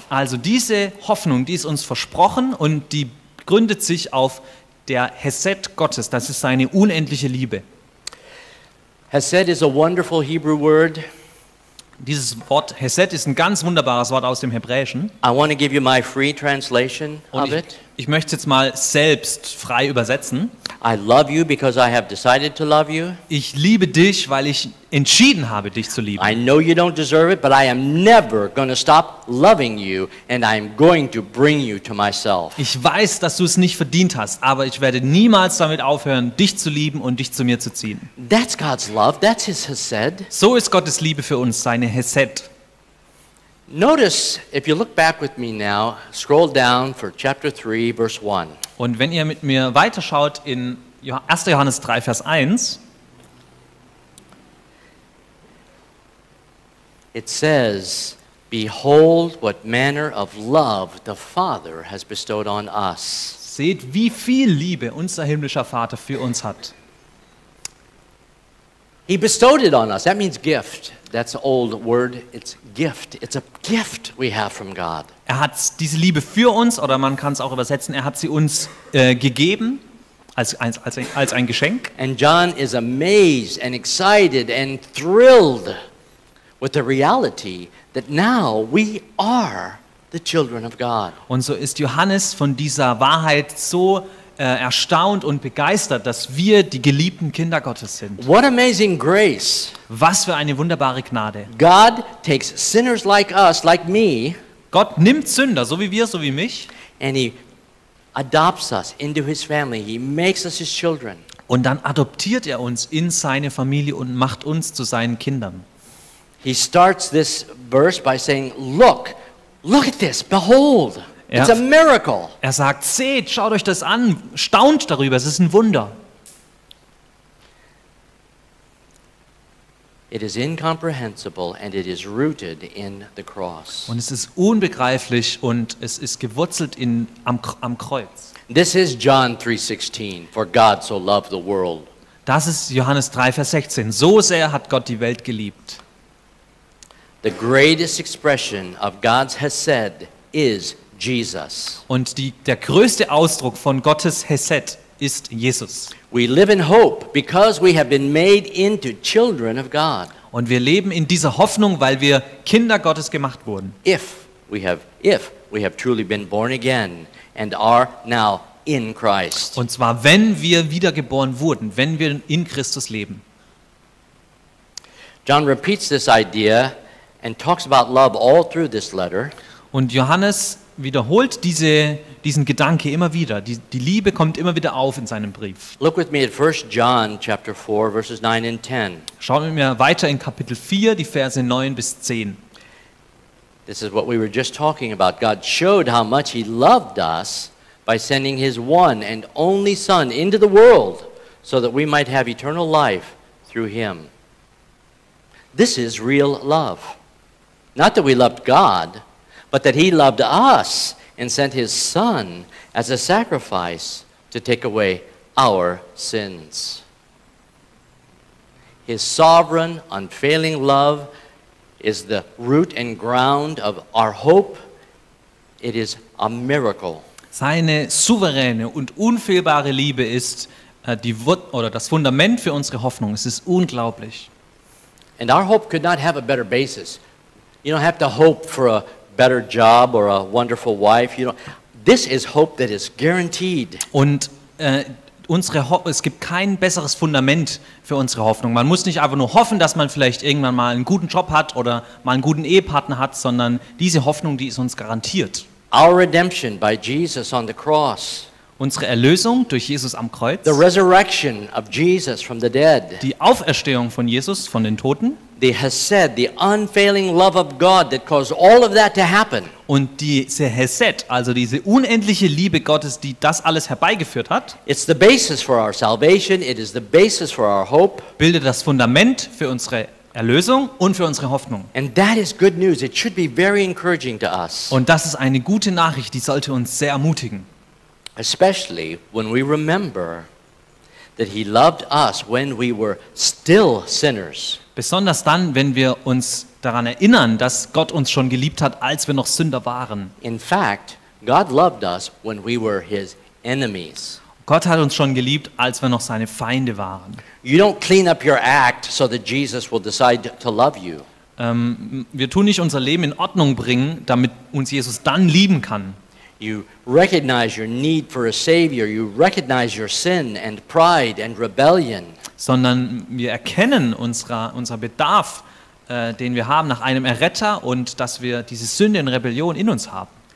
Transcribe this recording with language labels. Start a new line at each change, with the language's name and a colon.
German: Also diese Hoffnung, die ist uns versprochen und die gründet sich auf der Hesed Gottes. Das ist seine unendliche Liebe.
English: Hesed is a wonderful Hebrew word.
German: Dieses Wort Hesed ist ein ganz wunderbares Wort aus dem Hebräischen.
English: I want to give you my free translation of it.
German: Ich möchte jetzt mal selbst frei übersetzen.
English: I love you because I have decided to love you.
German: Ich liebe dich, weil ich entschieden habe, dich zu lieben.
English: I know you don't deserve it, but I am never going to stop loving you and I'm going to bring you to myself.
German: Ich weiß, dass du es nicht verdient hast, aber ich werde niemals damit aufhören, dich zu lieben und dich zu mir zu ziehen.
English: That's God's love, that's his hesed.
German: So ist Gottes Liebe für uns, seine Hesed.
English: Notice if you look back with me now, scroll down for chapter 3 verse 1.
German: Und wenn ihr mit mir weiterschaut in 1. Johannes 3 Vers 1.
English: It says, behold what manner of love the Father has bestowed on us.
German: Seht, wie viel Liebe unser himmlischer Vater für uns hat.
English: He bestowed it on us. That means gift. That's an old word. It's gift. It's a gift we have from God.
German: Er hat diese Liebe für uns, oder man kann es auch übersetzen, er hat sie uns gegeben als ein Geschenk.
English: And John is amazed and excited and thrilled with the reality that now we are the children of God.
German: Und so ist Johannes von dieser Wahrheit so erstaunt und begeistert, dass wir die geliebten Kinder Gottes sind.
English: What amazing grace.
German: Was für eine wunderbare Gnade.
English: God takes sinners like us, like me.
German: Gott nimmt Sünder, so wie wir, so wie mich.
English: And he adopts us into his family. He makes us his children.
German: Und dann adoptiert er uns in seine Familie und macht uns zu seinen Kindern.
English: He starts this verse by saying, look, look at this, behold. It's a miracle.
German: Er sagt, seht, schaut euch das an, staunt darüber, es ist ein Wunder.
English: It is incomprehensible and it is rooted in the cross.
German: Und es ist unbegreiflich und es ist gewurzelt in am Kreuz.
English: This is John 3:16, for God so loved the world.
German: Das ist Johannes 3 Vers 16. So sehr hat Gott die Welt geliebt.
English: The greatest expression of God's hesed is Jesus.
German: Und der größte Ausdruck von Gottes Hesed ist Jesus.
English: We live in hope because we have been made into children of God.
German: Und wir leben in dieser Hoffnung, weil wir Kinder Gottes gemacht wurden.
English: If we have truly been born again and are now in Christ.
German: Und zwar, wenn wir wiedergeboren wurden, wenn wir in Christus leben.
English: John repeats this idea and talks about love all through this letter.
German: Und Johannes wiederholt diesen Gedanke immer wieder. Die Liebe kommt immer wieder auf in seinem Brief.
English: Look with me at 1 John chapter 4 verses 9 and 10.
German: Schauen wir mal weiter in Kapitel 4, die Verse 9 bis 10.
English: This is what we were just talking about. God showed how much he loved us by sending his one and only son into the world so that we might have eternal life through him. This is real love. Not that we loved God, but that he loved us and sent his son as a sacrifice to take away our sins. His sovereign, unfailing love is the root and ground of our hope. It is a miracle.
German: Seine souveräne und unfehlbare Liebe ist das Fundament für unsere Hoffnung. Es ist unglaublich.
English: And our hope could not have a better basis. You don't have to hope for a better job or a wonderful wife. You know, this is hope that is guaranteed.
German: Und es gibt kein besseres Fundament für unsere Hoffnung. Man muss nicht einfach nur hoffen, dass man vielleicht irgendwann mal einen guten Job hat oder mal einen guten Ehepartner hat, sondern diese Hoffnung, die ist uns garantiert.
English: Our redemption by Jesus on the cross.
German: Unsere Erlösung durch Jesus am Kreuz.
English: The resurrection of Jesus from the dead.
German: Die Auferstehung von Jesus von den Toten.
English: The Hesed, the unfailing love of God that caused all of that to happen.
German: Und diese Hesed, also diese unendliche Liebe Gottes, die das alles herbeigeführt hat.
English: It's the basis for our salvation. It is the basis for our hope.
German: Bildet das Fundament für unsere Erlösung und für unsere Hoffnung.
English: And that is good news. It should be very encouraging to us.
German: Und das ist eine gute Nachricht, die sollte uns sehr ermutigen.
English: Especially when we remember that he loved us when we were still sinners.
German: Besonders dann, wenn wir uns daran erinnern, dass Gott uns schon geliebt hat, als wir noch Sünder waren.
English: In fact, God loved us when we were his enemies.
German: Gott hat uns schon geliebt, als wir noch seine Feinde waren.
English: You don't clean up your act so that Jesus will decide to love you.
German: Wir tun nicht unser Leben in Ordnung bringen, damit uns Jesus dann lieben kann.
English: You recognize your need for a savior. You recognize your sin and pride and rebellion.
German: Sondern wir erkennen unser Bedarf, den wir haben nach einem Erretter und dass wir diese Sünde und Rebellion in uns haben.